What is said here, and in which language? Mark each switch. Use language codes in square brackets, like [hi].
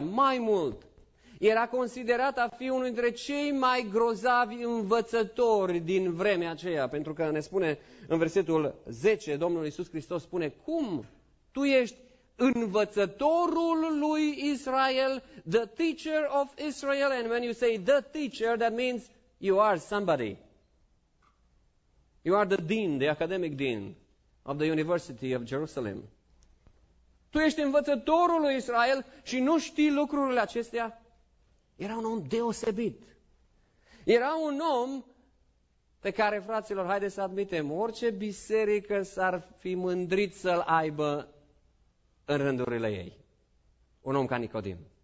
[ro] Mai mult, era considerat a fi unul dintre cei mai grozavi învățători din vremea aceea. Pentru că ne spune în versetul 10, Domnul Iisus Hristos spune, cum tu ești învățătorul lui Israel, [en] the teacher of Israel, and when you say the teacher, that means you are somebody. You are the dean, the academic dean of the University of Jerusalem. [ro] Tu ești învățătorul lui Israel și nu știi lucrurile acestea? Era un om deosebit. Era un om pe care, fraților, haide să admitem, orice biserică s-ar fi mândrit să-l aibă în rândurile ei. Un om ca Nicodim.